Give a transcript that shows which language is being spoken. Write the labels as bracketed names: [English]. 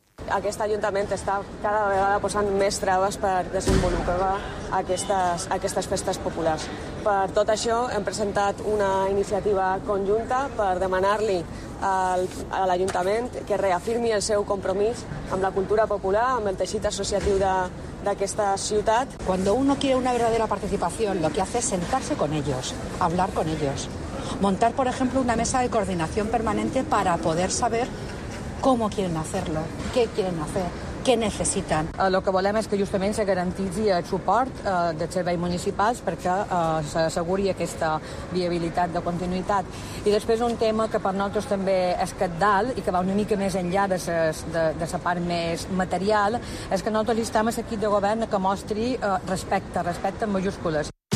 [Catalan] Aquest Ajuntament està cada vegada posant més traves per desenvolupar aquestes festes populars. Per tot això hem presentat una iniciativa conjunta per demanar-li a l'Ajuntament que reafirmi el seu compromís amb la cultura popular, amb el teixit associatiu d'aquesta ciutat. [Spanish] Cuando uno quiere una verdadera participación, lo que hace es sentarse con ellos, hablar con ellos, montar, por ejemplo, una mesa de coordinación permanente para poder saber cómo quieren hacerlo, qué quieren hacer, [Catalan] què necessiten. El que volem és que justament se garantitzi el suport dels serveis municipals perquè s'asseguri aquesta viabilitat de continuïtat. I després un tema que per nosaltres també és cabdal i que va una mica més enllà de la part més material és que nosaltres estem a l'equip de govern que mostri respecte en majúscules.